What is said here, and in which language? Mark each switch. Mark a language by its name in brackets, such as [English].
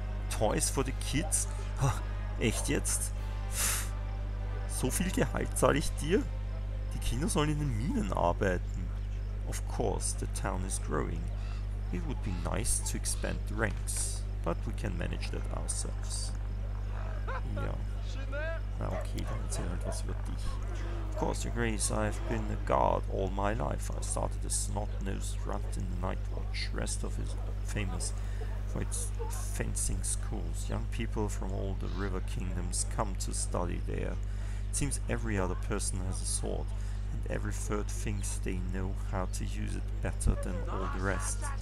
[English] Toys for the kids? [German] Echt jetzt? So viel Gehalt zahle ich dir? Die Kinder sollen in den Minen arbeiten. [English] Of course, the town is growing. It would be nice to expand the ranks, but we can manage that ourselves. [German] Ja. Na okay, dann erzähl halt was über dich. [English] Of course, your grace, I've been a guard all my life. I started a snot-nosed runt in the night watch. Rest of his famous for its fencing schools. Young people from all the river kingdoms come to study there. It seems every other person has a sword, and every third thinks they know how to use it better than all the rest.